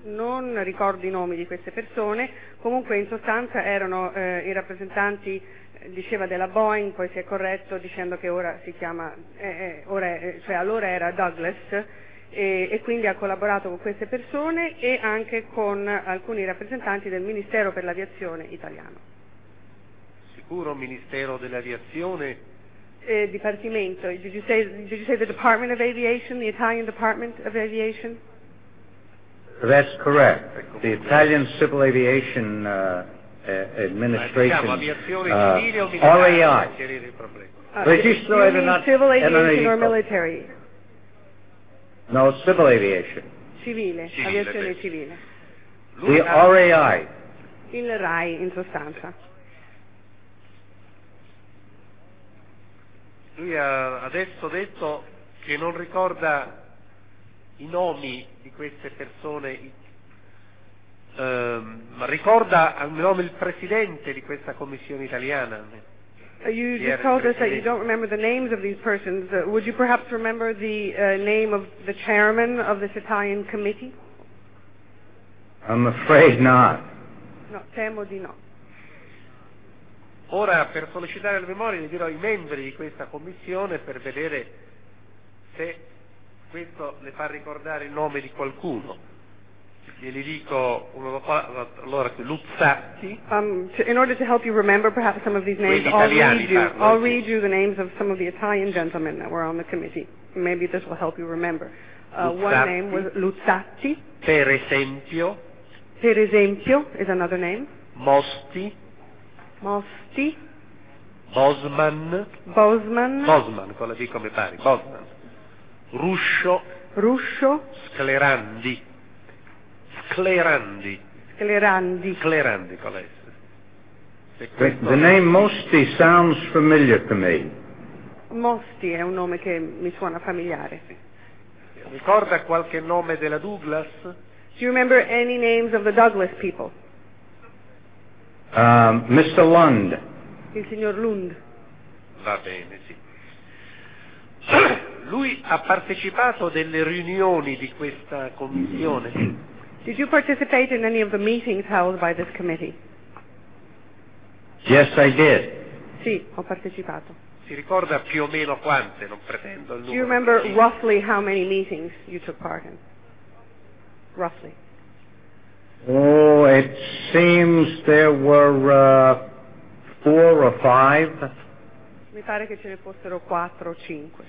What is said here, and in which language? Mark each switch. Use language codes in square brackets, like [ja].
[it] Non ricordo i nomi di queste persone, comunque in sostanza erano i rappresentanti, diceva, della Boeing, poi si è corretto dicendo che ora si chiama, cioè allora era Douglas, e quindi ha collaborato con queste persone e anche con alcuni rappresentanti del Ministero per l'Aviazione italiano. Sicuro Ministero dell'Aviazione? Dipartimento. [en] Did you say the Department of Aviation, the Italian Department of Aviation? That's correct. The Italian Civil Aviation Administration. [it] Diciamo, aviazione civile o militare? REI. Registro [en] aeronautico. Civil aviation or military? No, civil aviation. [it] Civile. Aviazione civile. [en] The REI. [it] Il RAI, in sostanza. Lui ha adesso detto che non ricorda i nomi di queste persone, ma ricorda al mio nome il presidente di questa commissione italiana. [en] You just told us that you don't remember the names of these persons. Would you perhaps remember the name of the chairman of this Italian committee? I'm afraid not. [it] No, temo di no. Ora, per sollecitare la memoria, gli dirò i membri di questa commissione per vedere se questo le fa ricordare il nome di qualcuno. Glieli dico uno dopo l'altro. Allora, Luzzatti. [en] In order to help you remember perhaps some of these names, I'll read you the names of some of the Italian gentlemen that were on the committee. Maybe this will help you remember. One name was Luzzatti. [it] Per esempio. Per esempio [en] is another name. Mosti. Mosti. Bosman. Bosman. [it] Bosman, con la D come pari. Bosman. Ruscio. Ruscio. Sclerandi. Sclerandi. Sclerandi. Sclerandi, qual è? [en] The name Mosti sounds familiar to me. [it] Mosti è un nome che mi suona familiare. Ricorda qualche nome della Douglas? [en] Do you remember any names of the Douglas people? Mr. Lund. [it] Il signor Lund. Va bene, sì. Lui ha partecipato delle riunioni di questa commissione? [en] Did you participate in any of the meetings held by this committee? Yes, I did. [it] Sì, ho partecipato. Si ricorda più o meno quante, non pretendo il numero. [en] Do you remember roughly how many meetings you took part in? Roughly. Oh, it seems there were four or five. [it] Mi pare che ce ne fossero quattro o cinque.